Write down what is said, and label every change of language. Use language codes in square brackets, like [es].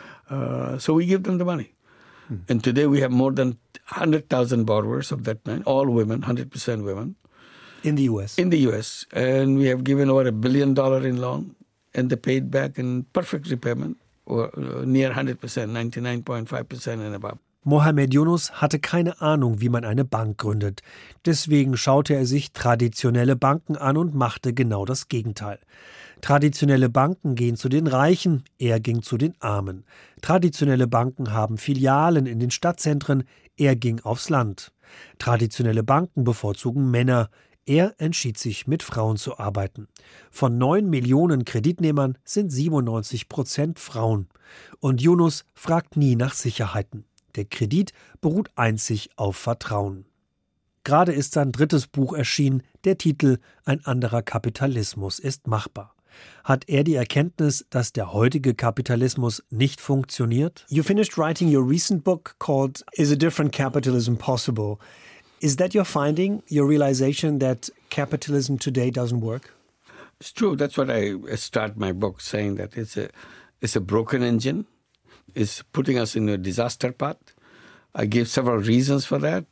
[en] So we give them the money. Mm. And today we have more than 100,000 borrowers of that kind, all women, 100% women. In the U.S.? In the U.S. And we have given over $1 billion in loan, and they paid back in perfect repayment, or near 100%, 99.5% and above. [de] Mohamed Yunus hatte keine Ahnung, wie man eine Bank gründet. Deswegen schaute er sich traditionelle Banken an und machte genau das Gegenteil. Traditionelle Banken gehen zu den Reichen, er ging zu den Armen. Traditionelle Banken haben Filialen in den Stadtzentren, er ging aufs Land. Traditionelle Banken bevorzugen Männer, er entschied sich, mit Frauen zu arbeiten. Von 9 Millionen Kreditnehmern sind 97% Frauen. Und Yunus fragt nie nach Sicherheiten. Der Kredit beruht einzig auf Vertrauen. Gerade ist sein drittes Buch erschienen, der Titel »Ein anderer Kapitalismus ist machbar«. Hat er die Erkenntnis, dass der heutige Kapitalismus nicht funktioniert? [en] You finished writing your recent book called »Is a different capitalism possible?« Is that your finding, your realization that capitalism today doesn't work? It's true. That's what I start my book saying, that it's a broken engine. Is putting us in a disaster path. I give several reasons for that.